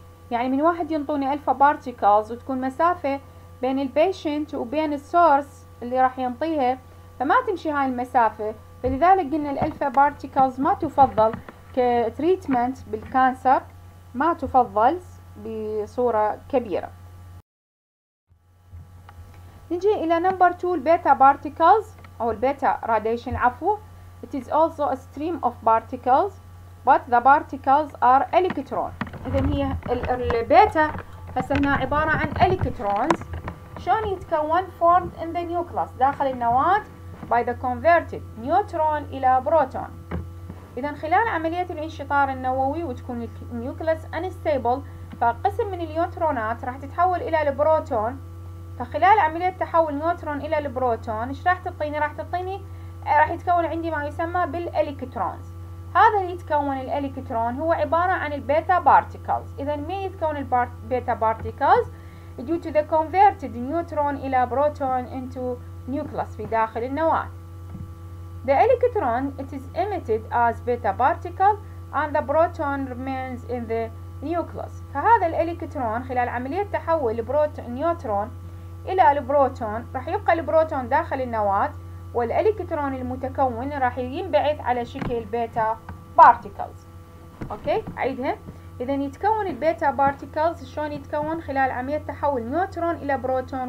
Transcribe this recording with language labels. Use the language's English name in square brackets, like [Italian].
[Arabic] يعني من واحد ينطوني alpha particles وتكون مسافة بين البيشنت وبين السورس اللي راح ينطيها، فما تمشي هاي المسافة، فلذلك قلنا الالفا بارتيكلز ما تفضل كتريتمنت بالكانسر، ما تفضل بصورة كبيرة. نجي الى نمبر 2 البيتا بارتيكلز او البيتا راديشن عفوا. [English] It is also a stream of particles but the particles are electron. [Arabic] اذا هي البيتا هسه هنا عبارة عن electrons. شلون يتكون؟ [English] formed in the nucleus [Arabic] داخل النواة [English] by the converted neutron [Arabic] الى بروتون. اذا خلال عملية الانشطار النووي وتكون النيوكلس unstable، فقسم من النيوترونات راح تتحول الى البروتون، فخلال عملية تحول النيوترون الى البروتون ايش راح تعطيني؟ راح تعطيني راح يتكون عندي ما يسمى بالالكترونز. هذا اللي يتكون الالكترون هو عبارة عن البيتا بارتيكلز. اذا مين يتكون البيتا بارتيكلز؟ [English] due to the converted neutron [Arabic] الى بروتون [English] into nucleus [Arabic] في داخل النواة. [English] The electron it is emitted as beta particle and the proton remains in the nucleus. [Arabic] فهذا الالكترون خلال عملية تحول النيوترون الى البروتون راح يبقى البروتون داخل النواة، والالكترون المتكون راح ينبعث على شكل بيتا بارتيكلز. اوكي عيدها. اذا يتكون البيتا بارتيكلز شلون يتكون؟ خلال عملية تحول نيوترون الى بروتون.